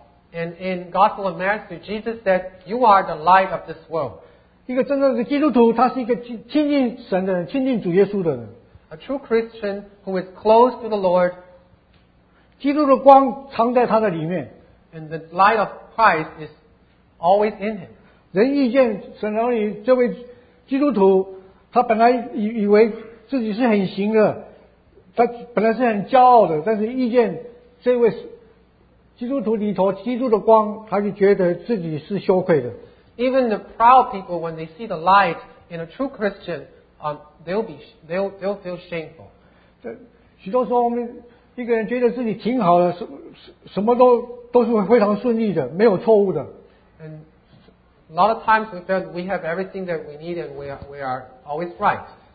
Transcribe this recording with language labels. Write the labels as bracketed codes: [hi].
[en] and in Gospel of Matthew, Jesus said, you are the light of this world. [zh] 一个真正的基督徒,他是一个亲近神的人,亲近主耶稣的人。 [en] A true Christian who is close to the Lord. [zh] 基督的光藏在他的里面。 [en] And the light of Christ is always in him. [zh] 人遇见神儿女这位基督徒,他本来以为自己是很行的,他本来是很骄傲的,但是遇见这位基督徒里头基督的光,他就觉得自己是羞愧的。 [en] Even the proud people, when they see the light in a true Christian, they'll feel shameful. And a lot of times we feel we have everything that we need and we are always right.